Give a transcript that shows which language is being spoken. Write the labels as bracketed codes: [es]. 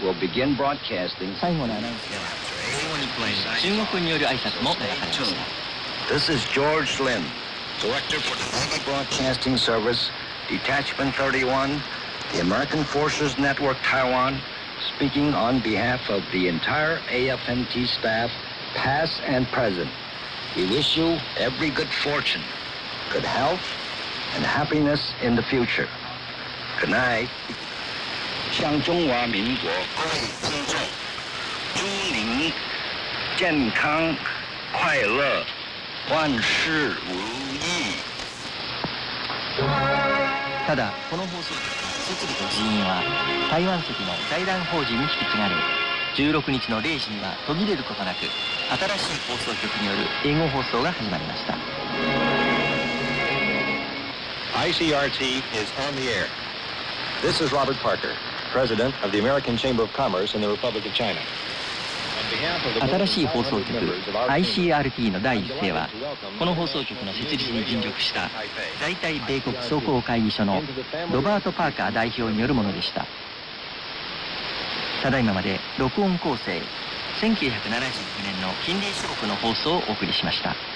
[ja] 最後のアナウンスでは中国による挨拶も流されました。 [en] This is George Lin, Director for the Public Broadcasting Service, Detachment 31, the American Forces Network Taiwan, speaking on behalf of the entire AFNT staff, past and present. We wish you every good fortune, good health, and happiness in the future. Good night. [zh] 向中华民国各位听众，祝您健康快乐，万事如意。 [ja] ただこの放送局の設備と人員は台湾籍の財団法人に引き継がれ、16日の0時には途切れることなく新しい放送局による英語放送が始まりました。 [en] ICRT is on the air. This is Robert Parker, President of the American Chamber of Commerce in the Republic of China. [ja] 新しい放送局 ICRT の第一声は、この放送局の設立に尽力した在台米国総工会議所のロバート・パーカー代表によるものでした。ただいままで録音構成、1979年の近隣諸国の放送をお送りしました。